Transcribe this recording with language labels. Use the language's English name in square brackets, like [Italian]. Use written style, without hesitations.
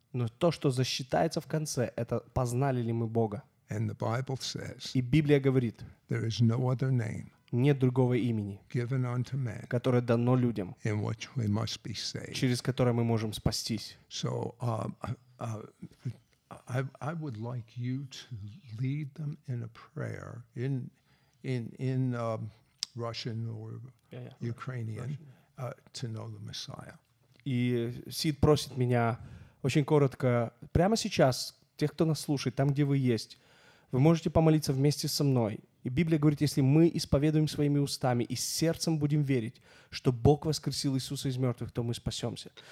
[Russian] Но то, что засчитается в конце, это познали ли мы Бога. [English] And the Bible says, [Russian] и Библия говорит, [English] there is no other name, [Russian] нет другого имени, [English] given unto man, [Russian] которое дано людям, [English] in which we must be saved. [Russian] Через которое мы можем спастись. [English] So, I would like you to lead them in a prayer in Russian or Ukrainian, to know the Messiah. [Russian] И Сид просит меня очень коротко, прямо сейчас, тех, кто нас слушает, там, где вы есть, вы можете помолиться вместе со мной. И Библия говорит, если мы исповедуем своими устами и сердцем будем верить, что Бог воскресил Иисуса из мертвых, то мы спасемся.